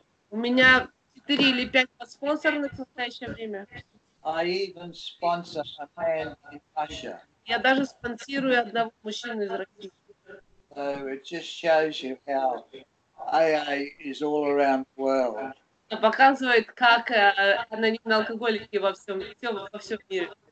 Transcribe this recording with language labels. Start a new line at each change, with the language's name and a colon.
Russian: У меня 4 или 5 спонсорных в настоящее время.
English: I even sponsor a man in Russia.
Russian: Я даже спонсирую одного мужчину из России.
English: So it just shows you how AA is all around the world.
Russian: Это показывает, как анонимные алкоголики во всем мире.